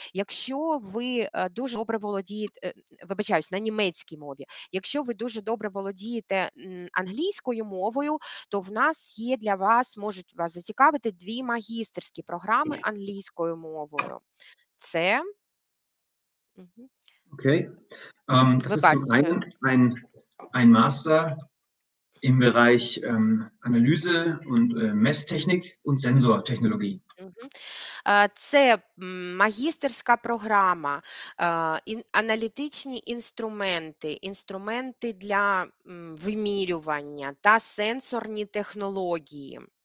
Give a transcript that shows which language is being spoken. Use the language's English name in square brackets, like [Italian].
[Ukrainian] Якщо ви дуже добре володієте, вибачаюсь, на німецькій мові. Якщо ви дуже добре володієте англійською мовою, то в нас є для вас, можуть вас зацікавити, дві магістерські програми англійською мовою. Це Окей. [German] Ein Master im Bereich Analyse und Messtechnik und Sensortechnologie. [Ukrainian] Це магістерська програма, аналітичні інструменти, інструменти для вимірювання та сенсорні технології.